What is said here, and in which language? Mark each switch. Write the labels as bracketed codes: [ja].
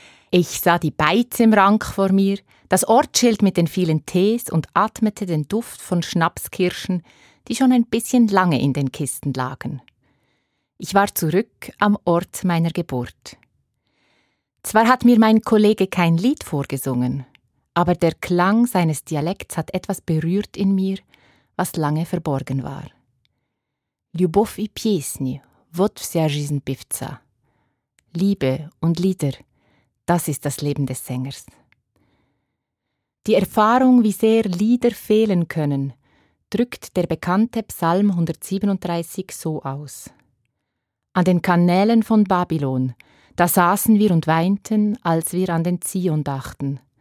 [de] Ich sah die Beiz im Rank vor mir, das Ortsschild mit den vielen Tees und atmete den Duft von Schnapskirschen, die schon ein bisschen lange in den Kisten lagen. Ich war zurück am Ort meiner Geburt. Zwar hat mir mein Kollege kein Lied vorgesungen, aber der Klang seines Dialekts hat etwas berührt in mir, was lange verborgen war. [ru] «Любовь и песни, вот вся жизнь певца». [de] Liebe und Lieder, das ist das Leben des Sängers. Die Erfahrung, wie sehr Lieder fehlen können, drückt der bekannte Psalm 137 so aus. An den Kanälen von Babylon, da saßen wir und weinten, als wir an den Zion dachten.